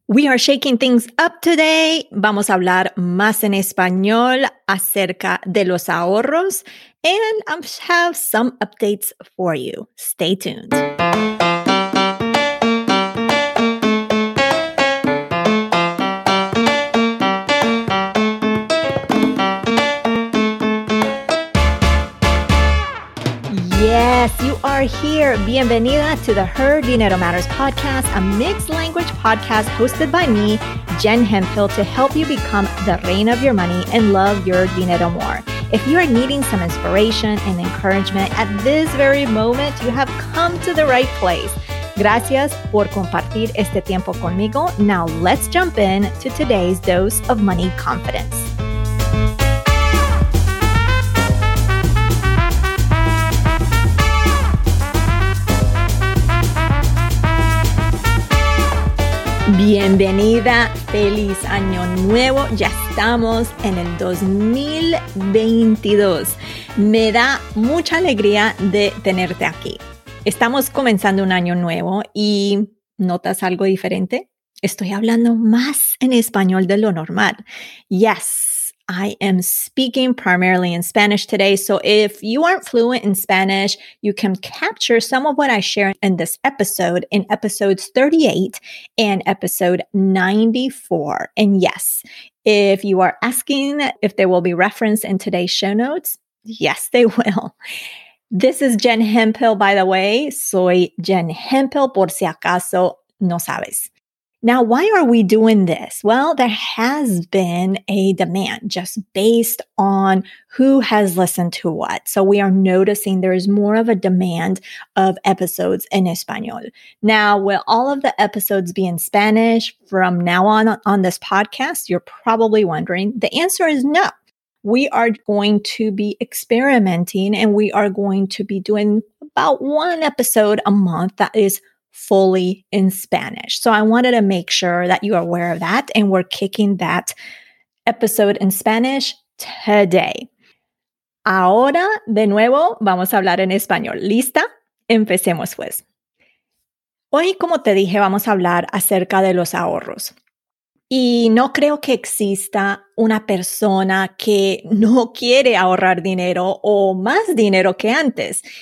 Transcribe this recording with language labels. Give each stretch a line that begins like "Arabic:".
English: We are shaking things up today.
Spanish: Vamos a hablar más en español acerca de los ahorros.
English: And I have some updates for you. Stay tuned. Yes, you are here. Bienvenida to the Her Dinero Matters podcast, a mixed language podcast hosted by me, Jen Hemphill, to help you become the reina of your money and love your dinero more. If you are needing some inspiration and encouragement at this very moment, you have come to the right place.
Spanish: Gracias por compartir este tiempo conmigo.
English: Now let's jump in to today's dose of money confidence.
Spanish: Bienvenida, feliz año nuevo. Ya estamos en el 2022. Me da mucha alegría de tenerte aquí. Estamos comenzando un año nuevo y ¿notas algo diferente? Estoy hablando más en español de lo normal.
English: Yes, I am speaking primarily in Spanish today. So if you aren't fluent in Spanish, you can capture some of what I share in this episode in episodes 38 and episode 94. And yes, if you are asking if there will be reference in today's show notes, yes, they will. This is Jen Hemphill, by the way.
Spanish: Soy Jen Hemphill, por si acaso no sabes.
English: Now, why are we doing this? Well, there has been a demand just based on who has listened to what. So we are noticing there is more of a demand of episodes in Espanol. Now, will all of the episodes be in Spanish from now on this podcast? You're probably wondering. The answer is no. We are going to be experimenting and we are going to be doing about one episode a month that is fully in Spanish. So I wanted to make sure that you are aware of that, and we're kicking that episode in Spanish today.
Spanish: Ahora, de nuevo, vamos a hablar en español. ¿Lista? Empecemos pues. Hoy, como te dije, vamos a hablar acerca de los ahorros. Y no creo que exista una persona que no quiere ahorrar dinero o más dinero que antes.